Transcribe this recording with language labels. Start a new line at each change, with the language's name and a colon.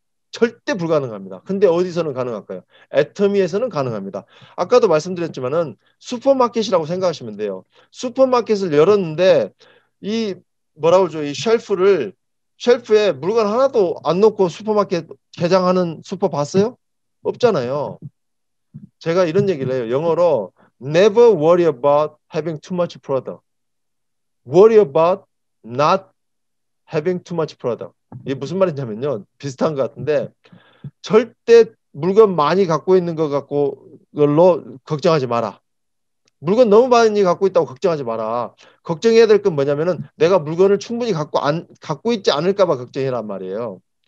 Korean: 절대 불가능합니다. 근데 어디서는 가능할까요? 애터미에서는 가능합니다. 아까도 말씀드렸지만은 슈퍼마켓이라고 생각하시면 돼요. 슈퍼마켓을 열었는데 이 뭐라고 그러죠? 이 셸프에 물건 하나도 안 놓고 슈퍼마켓 개장하는 슈퍼 봤어요? 없잖아요. 제가 이런 얘기를 해요. 영어로
English: Never worry about having too much product. Worry about not having too much product.
Korean: 이게 무슨 말이냐면요. 비슷한 것 같은데 절대 물건 많이 갖고 있는 것 갖고 걸로 걱정하지 마라. 물건 너무 많이 갖고 있다고 걱정하지 마라. 걱정해야 될건 뭐냐면은 내가 물건을 충분히 갖고 있지 않을까 봐 걱정이란 말이에요.